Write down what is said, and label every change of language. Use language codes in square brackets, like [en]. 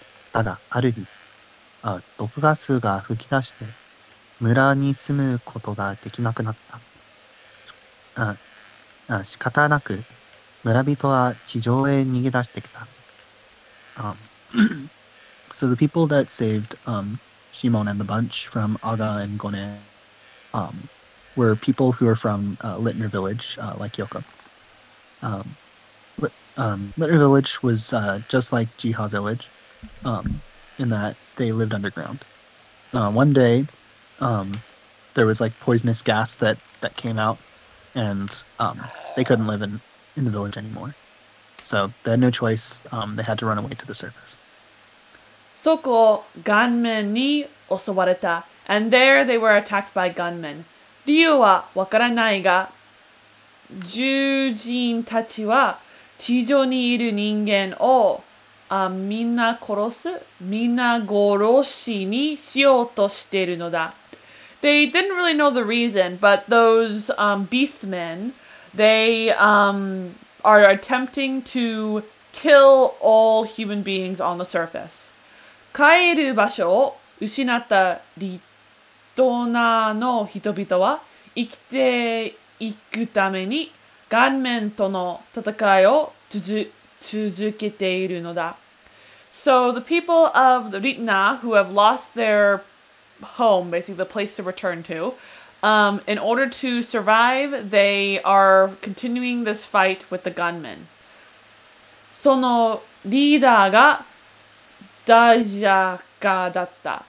[ja] ただある日、毒ガスが吹き出して村に住むことができなくなった。仕方なく村人は地上へ逃げ出してきた。 [en] So the people that saved Shimon and the bunch from Aga and Gone were people who are from Litner Village, like Yoko. Litner Village was just like Jiha Village. In that they lived underground. One day, there was like poisonous gas that came out, and they couldn't live in the village anymore. So they had no choice. They had to run away to the surface. [ja] そこ、gunmen に襲われた。 [en] And there they were attacked by gunmen. [ja] 理由はわからないが、獣人たちは地上にいる人間をみんな殺しにしようとしているのだ。 [en] They didn't really know the reason, but those beastmen, they are attempting to kill all human beings on the surface. [ja] 帰る場所を失ったリトナーの人々は生きていくためにガンメンとの戦いを続けているのだ。 [en] So the people of the Ritna who have lost their home, basically the place to return to, In order to survive, they are continuing this fight with the gunmen. [ja] そのリーダーがダジャカだった。